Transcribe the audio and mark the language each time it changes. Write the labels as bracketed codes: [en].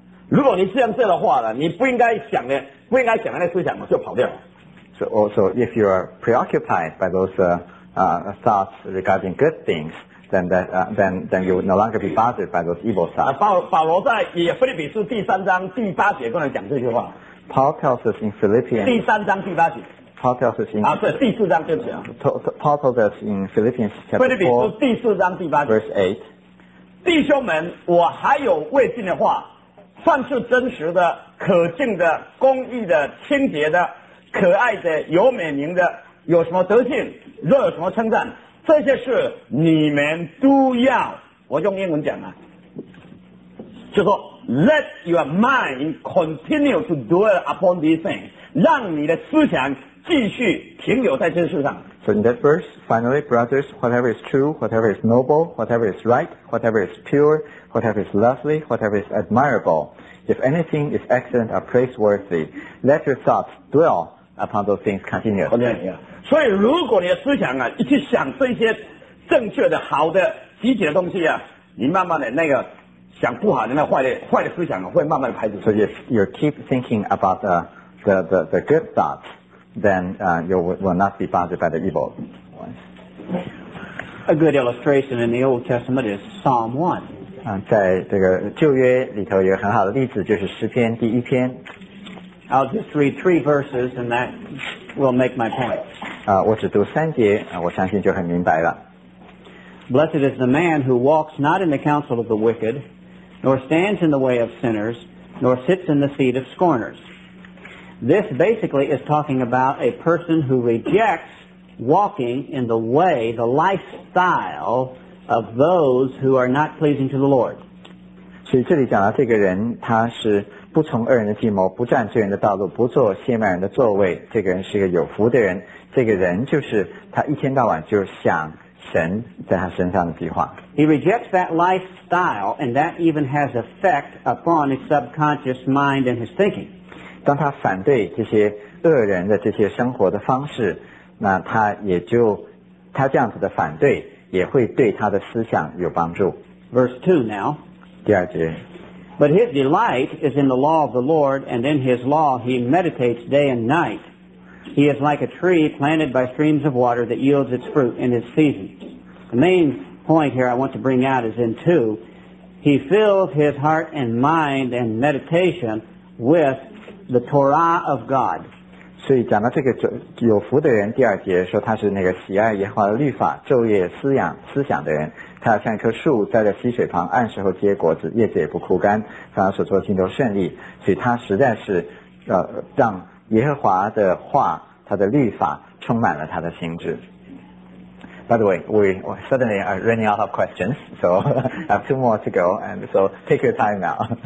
[zh] 如果你这样子的话呢，你不应该想的那思想就跑掉了。 [en] So also if you are preoccupied by those thoughts regarding good things, then you would no longer be bothered by those evil thoughts. [zh] 保罗在以腓立比书第三章第八节跟人讲这句话。 [en] Paul tells us in Philippians [zh] 第三章第八节。 [en] Paul tells us in [zh] 第四章对不起啊。 [en] Paul tells us in Philippians chapter [zh] 4, 第四章第八节 [en] verse 8. [zh] 弟兄们，我还有未尽的话，凡是真实的、可敬的、公义的、清洁的、可爱的、有美名的，有什么德性，若有什么称赞，这些事你们都要。我用英文讲啊，就说。 [en] Let your mind continue to dwell upon these things. [zh] 让你的思想继续停留在这些事上。 [en] So in that verse, finally, brothers, whatever is true, whatever is noble, whatever is right, whatever is pure, whatever is lovely, whatever is admirable, if anything is excellent or praiseworthy, let your thoughts dwell upon those things continuously. Okay, yeah. [zh] 所以如果你的思想啊，一直想这些正确的、好的、积极的东西啊，你慢慢的那个。想不好的那坏的思想会慢慢的排除。 [en] So if you keep thinking about the good thoughts, then you will not be bothered by the evil ones. A good illustration in the Old Testament is Psalm 1. [zh] 在这个旧约里头有很好的例子，就是诗篇第一篇。 [en] I'll just read three verses, and that will make my point. [zh] 我只读三节，我相信就很明白了。 [en] Blessed is the man who walks not in the counsel of the wicked. Nor stands in the way of sinners, nor sits in the seat of scorners. This basically is talking about a person who rejects walking in the way, the lifestyle of those who are not pleasing to the Lord. [zh] 所以这里讲到这个人，他是不从恶人的计谋，不占罪人的道路，不坐亵慢人的座位。这个人是一个有福的人。这个人就是他一天到晚就想。神在他身上的计划。 [en] He rejects that lifestyle, and that even has effect upon his subconscious mind and his thinking. [zh] 当他反对这些恶人的这些生活的方式，那他也就他这样子的反对，也会对他的思想有帮助。 [en] Verse 2 now. [zh] 第二节。 [en] But his delight is in the law of the Lord, and in his law he meditates day and night. He is like a tree planted by streams of water that yields its fruit in its season. The main point here I want to bring out is in two. He fills his heart and mind and meditation with the Torah of God. [zh] 所以讲到这个有福的人第二节说他是那个喜爱耶和华的律法昼夜思想的人。他像一棵树栽在溪水旁按时候结果子叶子也不枯干反而所做的尽都顺利。所以他实在是让耶和华的话他的律法充满了他的心智 [en] By the way, we're suddenly running out of questions, so I have two more to go, and so take your time now.